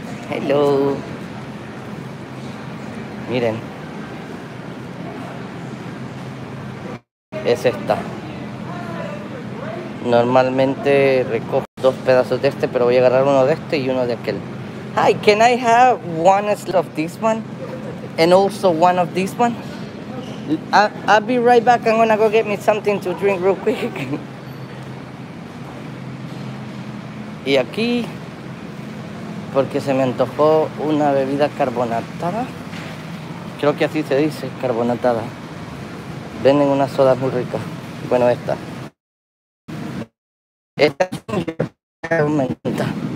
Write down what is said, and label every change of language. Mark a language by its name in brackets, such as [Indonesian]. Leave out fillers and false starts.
[English] Hello. [Spanish] Miren. Es esta. Normalmente recojo dos pedazos de este, pero voy a agarrar uno de este y uno de aquel. [English] Hi, can I have one slice of this one? And also one of this one? I'll be right back. I'm gonna go get me something to drink real quick. [Spanish] Y aquí, porque se me antojó una bebida carbonatada. Creo que así se dice, carbonatada. Venden unas sodas muy ricas. Bueno, esta. Esta es un menta.